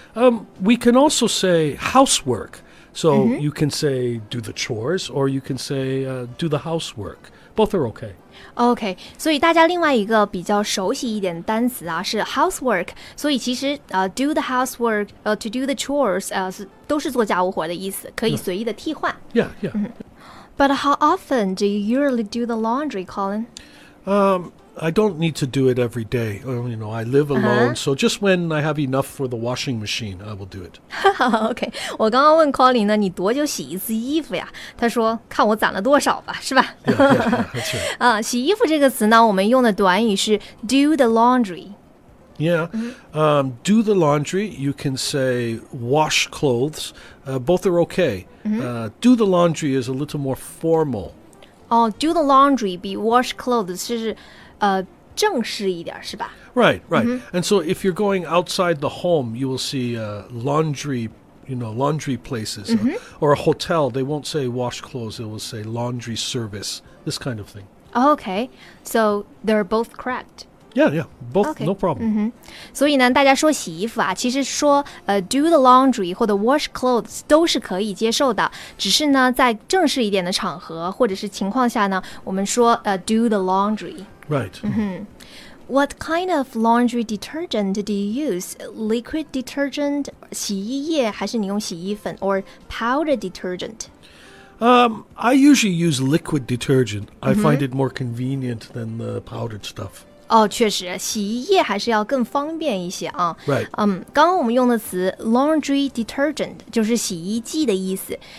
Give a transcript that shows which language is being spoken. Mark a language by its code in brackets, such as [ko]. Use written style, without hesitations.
[en] We can also say housework. So、mm-hmm. you can say do the chores, or you can say、do the housework. Both are okay. [zh] OK, 所以大家另外一个比较熟悉一点的单词啊是 housework, 所以其实、 [en] do the housework,、 to do the chores,、 [zh] 都是做家务活的意思可以随意的替换。 [en] Yeah, yeah.、 Mm-hmm. But how often do you usually do the laundry, Colin?、 I don't need to do it every day. Well, you know, I live alone,、uh-huh. so just when I have enough for the washing machine, I will do it. [zh] OK, 我刚刚问 Colin 呢，你多久洗一次衣服呀？他说，看我攒了多少吧，是吧？ [en] Yeah, yeah, that's right. [zh] 洗衣服这个词呢，我们用的短语是 [en] do the laundry. Yeah,、mm-hmm. Do the laundry, you can say wash clothes.、both are OK.、 Mm-hmm. Do the laundry is a little more formal. Oh, do the laundry be wash clothes [zh] 是正式一点是吧 [en] Right, right.、Mm-hmm. And so if you're going outside the home, you will see、laundry, you know, laundry places、 mm-hmm. or a hotel. They won't say wash clothes. It will say laundry service, this kind of thing. Okay. So they're both correct. Yeah, yeah. Both,、 okay. no problem.、 Mm-hmm. [zh] 所以呢大家说洗衣服啊其实说、 [en] do the laundry [zh] 或者 [en] wash clothes [zh] 都是可以接受的。只是呢在正式一点的场合或者是情况下呢我们说、 [en] do the laundry. Right.、 Mm-hmm. What kind of laundry detergent do you use? Liquid detergent, [zh] 洗衣液还是你用洗衣粉 [en] or powder detergent?、 I usually use liquid detergent.、Mm-hmm. I find it more convenient than the powdered stuff. [zh] 哦，确实，洗衣液还是要更方便一些啊。 [en] Right. [zh] 刚刚我们用的词 [en] laundry detergent [zh] 就是洗衣剂的意思。